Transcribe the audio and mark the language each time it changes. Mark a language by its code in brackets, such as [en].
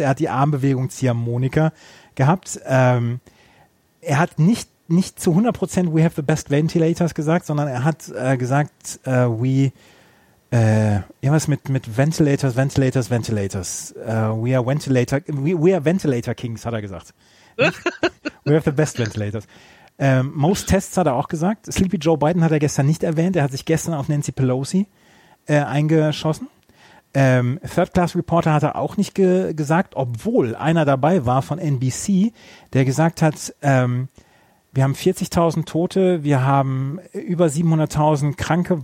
[de] Er hat die Armbewegung Ziehharmonika gehabt. Er hat nicht zu 100% [en] we have the best ventilators [de] gesagt, sondern er hat gesagt, we irgendwas mit Ventilators. [en] We are Ventilator Kings, [de] hat er gesagt. [en] We have the best ventilators. Most Tests [de] hat er auch gesagt. Sleepy Joe Biden hat er gestern nicht erwähnt. Er hat sich gestern auf Nancy Pelosi eingeschossen. [en] Third Class Reporter [de] hat er auch nicht gesagt, obwohl einer dabei war von NBC, der gesagt hat, wir haben 40.000 Tote, wir haben über 700.000 Kranke.